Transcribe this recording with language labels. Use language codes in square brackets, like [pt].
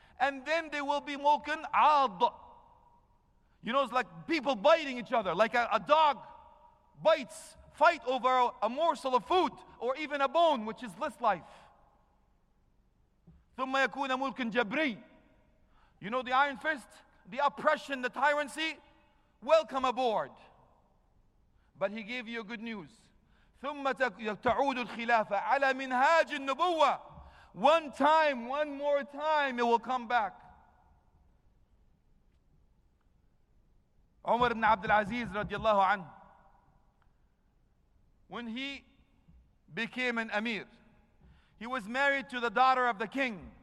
[en] And then there will be [ar] mulkun aad. [en] You know, it's like people biting each other, like a dog bites, fight over a morsel of food or even a bone, which is this life. [ar] ثم يكون ملك جبري. [en] You know the iron fist, the oppression, the tyranny? Welcome aboard. But he gave you good news. [ar] ثم تعود الخلافة على منهاج النبوة. [en] One time, one more time, it will come back. Umar ibn Abdul Aziz radiallahu anhu, when he became an emir, he was married to the daughter of the king.